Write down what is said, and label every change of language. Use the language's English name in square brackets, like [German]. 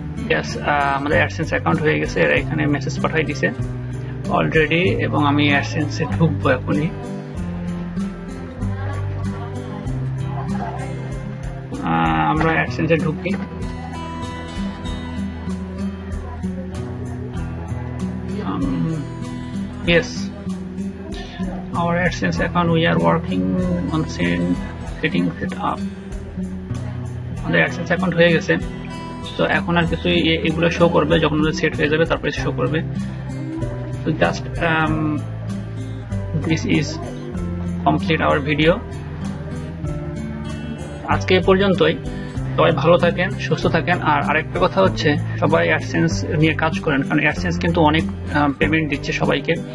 [Bangla] Yes আমাদের AdSense account হয়ে গেছে, এরা এখানে মেসেজ পাঠাই দিছে অলরেডি, এবং আমি অ্যাডসেন্সে ঢুকবো এখনই, আমরা অ্যাডসেন্সে ঢুকি, yes [English] our AdSense account, we are working on the same setting set up on the AdSense account. [Bangla] হয়ে গেছে, তো এখন আর কিছু এগুলো শো করবে, যখন সেট হয়ে যাবে তারপরে শো করবে. [English] তো just this is complete our video [Bangla] আজকে পর্যন্তই. সবাই ভালো থাকেন, সুস্থ থাকেন. আর আরেকটা কথা হচ্ছে, সবাই অ্যাডসেন্স নিয়ে কাজ করেন, কারণ অ্যাডসেন্স কিন্তু অনেক পেমেন্ট দিচ্ছে সবাইকে.